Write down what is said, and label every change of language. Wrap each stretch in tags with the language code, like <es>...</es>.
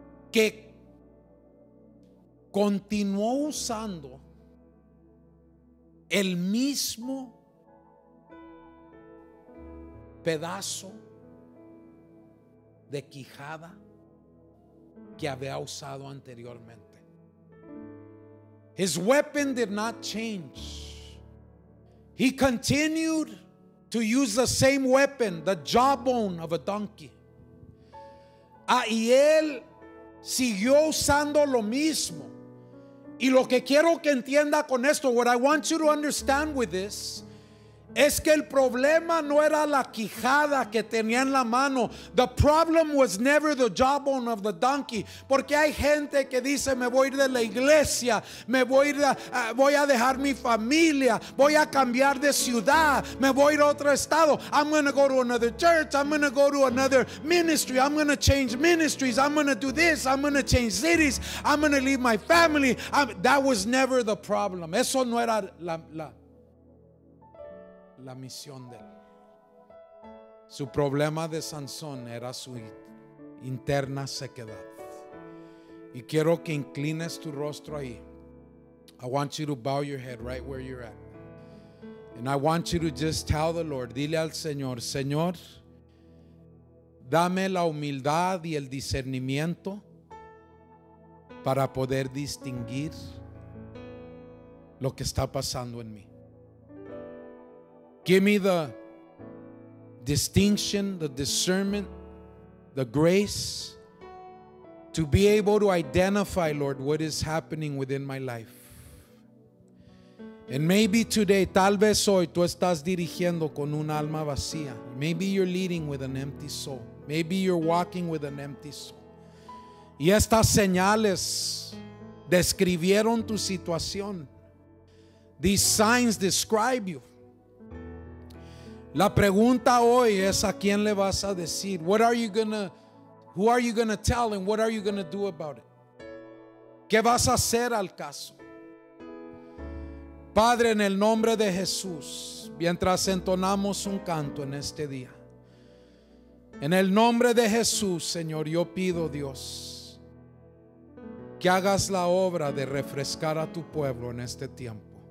<es>Que continuó usando el mismo pedazo de quijada que había usado anteriormente.</es> <en>His weapon did not change. He continued to use the same weapon, the jawbone of a donkey.</en> <es>Y él siguió usando lo mismo. Y lo que quiero que entienda con esto,</es> <en>what I want you to understand with this,</en> <es>Es que el problema no era la quijada que tenía en la mano.</es> <en>The problem was never the jawbone of the donkey.</en> <es>Porque hay gente que dice, me voy a ir de la iglesia, me voy a ir, voy a dejar mi familia, voy a cambiar de ciudad, me voy a ir a otro estado.</es> <en>I'm going to go to another church, I'm going to go to another ministry, I'm going to change ministries, I'm going to do this, I'm going to change cities, I'm going to leave my family. That was never the problem.</en> <es>Eso no era la misión de él. Su problema de Sansón era su interna sequedad. Y quiero que inclines tu rostro ahí.</es> <en>I want you to bow your head right where you're at. And I want you to just tell the Lord,</en> <es>dile al Señor, Señor, dame la humildad y el discernimiento para poder distinguir lo que está pasando en mí.</es> <en>Give me the distinction, the discernment, the grace to be able to identify, Lord, what is happening within my life. And maybe today,</en> <es>tal vez hoy, tú estás dirigiendo con un alma vacía.</es> <en>Maybe you're leading with an empty soul. Maybe you're walking with an empty soul.</en> <es>Y estas señales describieron tu situación.</es> <en>These signs describe you.</en> <es>La pregunta hoy es, ¿a quién le vas a decir?</es> <en>What are you gonna, who are you gonna tell and what are you gonna do about it?</en> <es>¿Qué vas a hacer al caso? Padre, en el nombre de Jesús, mientras entonamos un canto en este día, en el nombre de Jesús, Señor, yo pido, Dios, que hagas la obra de refrescar a tu pueblo en este tiempo.</es>